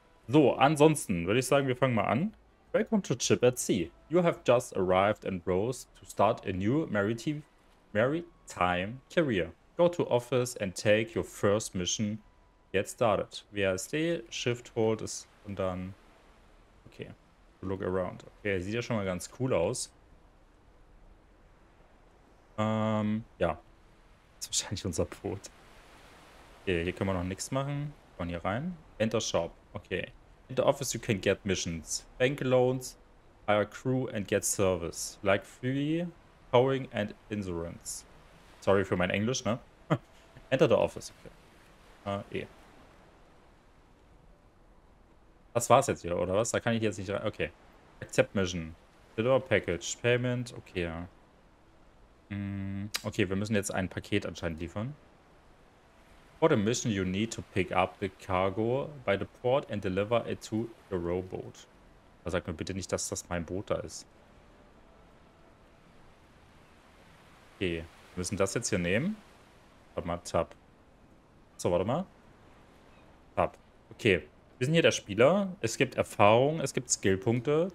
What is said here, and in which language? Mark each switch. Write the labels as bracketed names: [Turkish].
[German] So, ansonsten würde ich sagen, wir fangen mal an. [English] Welcome to Chip at Sea. You have just arrived and rose to start a new maritime career. Go to office and take your first mission. Get started. WASD, Shift, Hold ist und dann... Okay, look around. [German] Okay, sieht ja schon mal ganz cool aus. Ja. Das ist wahrscheinlich unser Boot. Okay, hier können wir noch nichts machen. Von hier rein. [English] Enter Shop. [German] Okay. [English] In the office you can get missions, bank loans, hire crew and get service, like free, towing and insurance. [German] Sorry für mein Englisch, ne? [English] Enter the office. [German] Okay. Das war's jetzt wieder, oder was? Da kann ich jetzt nicht rein. [English] Okay. Accept Mission. Deliver Package. Payment. Okay, ja. [German] Okay, wir müssen jetzt ein Paket anscheinend liefern. [English] For the mission, you need to pick up the cargo by the port and deliver it to the rowboat. [German] Aber sag mir bitte nicht, dass das mein Boot da ist. Okay, wir müssen das jetzt hier nehmen. Warte mal, Tab. So, warte mal. Tab. Okay, wir sind hier der Spieler. Es gibt Erfahrung, es gibt Skillpunkte.